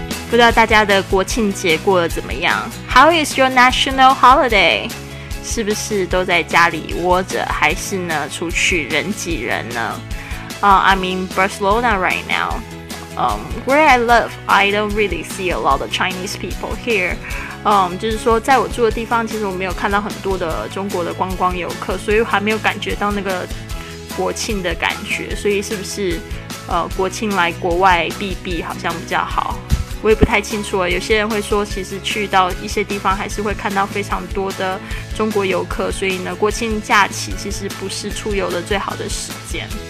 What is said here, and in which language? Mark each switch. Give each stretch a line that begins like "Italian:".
Chinese: 不知道大家的国庆节过得怎么样 ？
English: How is your national holiday？
Chinese: 是不是都在家里窝着，还是呢出去人挤人呢？
English: I'm in Barcelona right now. Where I live, I don't really see a lot of Chinese people here.
Chinese: 就是说，在我住的地方，其实我没有看到很多的中国的观光游客，所以我还没有感觉到那个国庆的感觉。所以是不是国庆来国外避避好像比较好？我也不太清楚了，有些人会说其实去到一些地方还是会看到非常多的中国游客，所以呢国庆假期其实不是出游的最好的时间。